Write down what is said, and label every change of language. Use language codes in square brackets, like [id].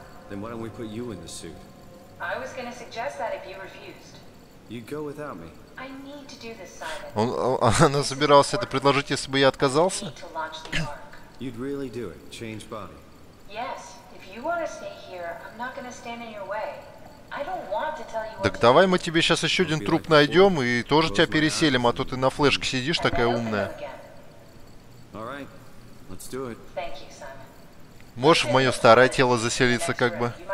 [en] Then why don't we put you in the suit? I was gonna suggest that if you refused. You'd go without me. I need to do this, Simon. [ru] Она собиралась это предложить, если бы я отказался? [en] You'd really do it. Change body. Yes. If you want to stay here, I'm not gonna stand in your way. I don't want to tell you. [ru] Так давай мы тебе сейчас еще один труп найдем и тоже тебя переселим, а то ты на флешке сидишь такая умная. [en] All right. Let's do it. Thank you, Simon. [ru] Можешь в мое старое тело заселиться, как бы.